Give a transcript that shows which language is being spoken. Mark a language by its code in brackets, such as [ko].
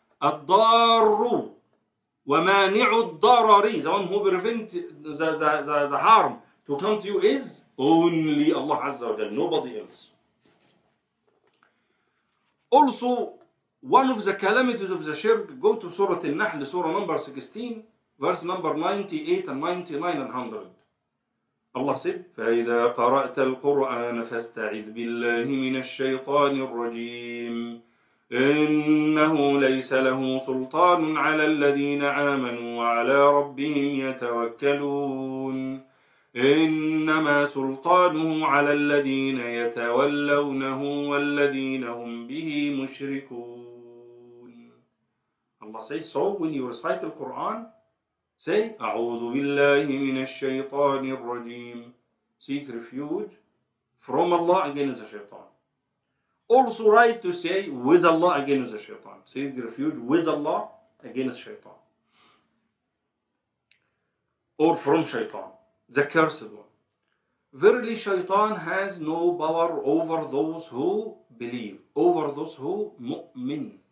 [ar] الضار ومانع الضرر, [en] the one who prevent the harm to come to you, is only Allah Azza wa Jal, nobody else. Also, one of the calamities of the shirk, go to Surah Al-Nahl, Surah number 16, verse number 98 and 99 and 100. Allah said, [ar] فَإِذَا قَرَأْتَ الْقُرْآنَ فَاسْتَعِذْ بِاللَّهِ مِنَ الشَّيْطَانِ الرَّجِيمِ إنه ليس له سلطان على الذين آمنوا وعلى ربهم يتوكلون إنما سلطانه على الذين يتولونه والذين هم به مشركون. [en] Allah says, so when you recite the Quran, say, [ar] أعوذ بالله من الشيطان الرجيم. [en] seek refuge from Allah against the shaitan. Also right to say with Allah against the shaitan. Seek refuge with Allah against shaitan. Or from shaitan, the cursed one. Verily, shaitan has no power over those who believe, over those who mu'min.